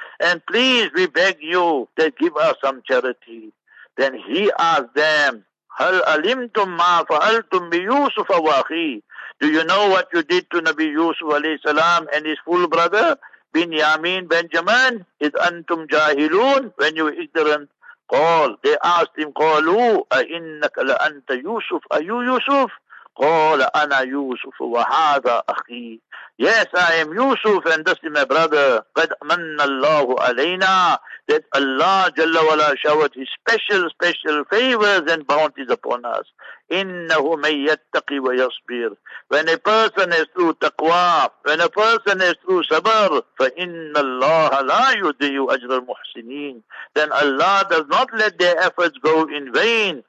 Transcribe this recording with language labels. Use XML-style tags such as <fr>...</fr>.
<en>And please, we beg you that give us some charity. Then he asked them,</en> <ar>Hal alimtum ma fa'altum bi Yusuf wa akhi?</ar> <en>Do you know what you did to Nabi Yusuf alayhi salam and his full brother, Binyamin Benjamin?</en> <ar>Is antum jahilun,</ar> <en>when you ignorant?</en> <ar>قال,</ar> <en>they asked him,</en> <ar>قالوا أإنك لأنت يوسف أيو يوسف؟ قال أنا يوسف وهذا أخي.</ar> <en>Yes, I am Yusuf and this is my brother.</en> <ar>قد من الله علينا,</ar> <en>that Allah</en> <ar>جل وعلا</ar> <en>showered his special favors and bounties upon us.</en> <ar>إنه من يتقي ويصبر.</ar> <en>When a person is through taqwa, when a person is through sabr,</en> <ar>فإن الله لا يضيع أجر المحسنين,</ar> <en>then Allah does not let their efforts go in vain.</en>